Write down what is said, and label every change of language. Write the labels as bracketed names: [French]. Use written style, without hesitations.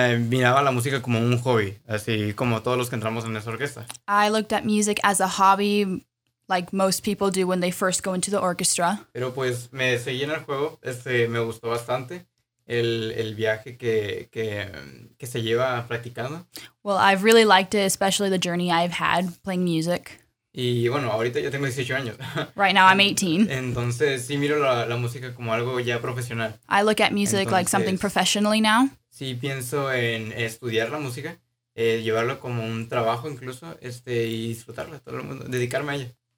[Spanish] Miraba la música como un hobby, así como todos los que entramos en esa orquesta. [English] I looked at music as a hobby, like most people do when they first go into the orchestra. [Spanish] Pero pues me seguí en el juego, me gustó bastante el viaje que se lleva practicando. [English] Well, I've really liked it, especially the journey I've had playing music. [Spanish] Y bueno, ahorita ya tengo 18 años. [English] Right now I'm 18. [Spanish] Entonces sí miro la música como algo ya profesional. [English] I look at music entonces, like something professionally now. [Spanish] Sí pienso en estudiar la música, llevarlo como un trabajo incluso, y disfrutarla, todo el mundo, dedicarme a ella.